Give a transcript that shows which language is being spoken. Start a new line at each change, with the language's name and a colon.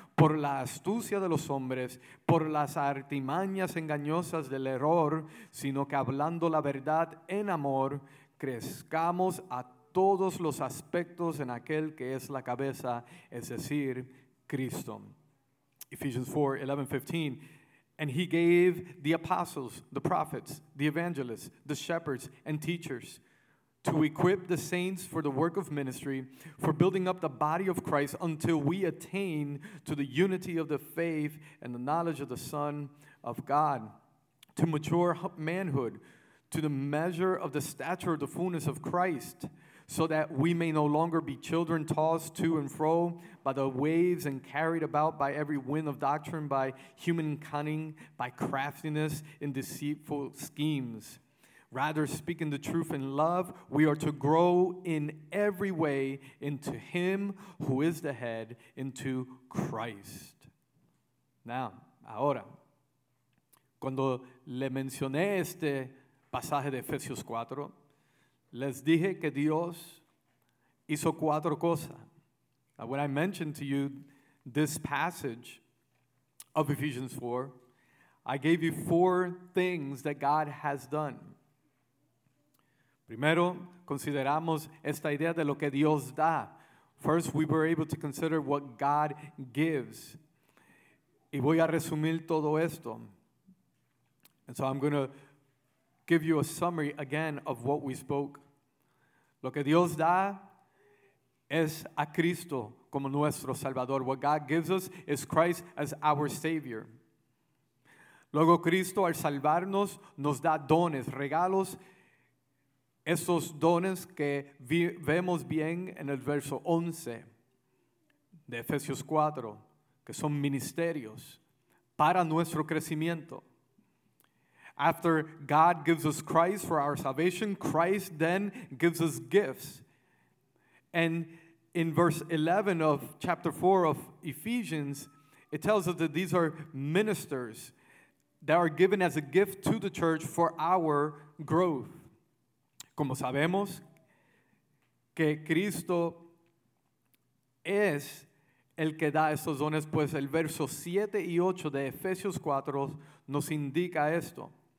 Spanish: por la astucia de los hombres, por las artimañas engañosas del error, sino que hablando la verdad en amor, crezcamos a todos los aspectos en aquel que es la cabeza, es decir, Cristo.
English: Ephesians 4, 11, 15. And he gave the apostles, the prophets, the evangelists, the shepherds, and teachers to equip the saints for the work of ministry, for building up the body of Christ until we attain to the unity of the faith and the knowledge of the Son of God, to mature manhood, to the measure of the stature of the fullness of Christ, so that we may no longer be children tossed to and fro by the waves and carried about by every wind of doctrine, by human cunning, by craftiness in deceitful schemes. Rather, speaking the truth in love, we are to grow in every way into Him who is the head, into Christ.
Spanish: Now, ahora, cuando le mencioné este pasaje de Efesios 4, les dije que Dios hizo cuatro cosas.
English: Now, when I mentioned to you this passage of Ephesians 4, I gave you four things that God has done.
Spanish: Primero, consideramos esta idea de lo que Dios da.
English: First, we were able to consider what God gives.
Spanish: Y voy a resumir todo esto.
English: And so I'm going to give you a summary again of what we spoke.
Spanish: Lo que Dios da es a Cristo como nuestro Salvador.
English: What God gives us is Christ as our Savior.
Spanish: Luego, Cristo al salvarnos nos da dones, regalos. Esos dones que vemos bien en el verso 11 de Efesios 4, que son ministerios para nuestro crecimiento.
English: After God gives us Christ for our salvation, Christ then gives us gifts. And in verse 11 of chapter 4 of Ephesians, it tells us that these are ministers that are given as a gift to the church for our growth.
Spanish: Como sabemos que Cristo es el que da estos dones, pues el verso 7 y 8 de Efesios 4 nos indica esto.